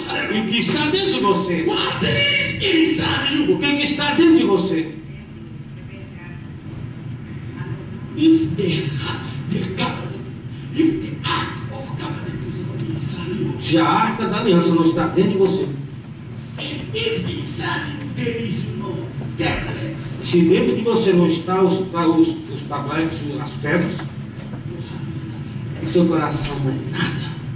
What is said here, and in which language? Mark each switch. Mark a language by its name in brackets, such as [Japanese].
[Portuguese] O que está dentro de você? [English] What is inside you? [Portuguese] O que é que está dentro de você? [English] If the covenant, if the ark of covenant is not inside you, [Portuguese] se a arca da aliança não está dentro de você, [English] and if inside you there is no tablets, [Portuguese] se dentro de você não está os tablets, as pedras, o seu coração não é nada.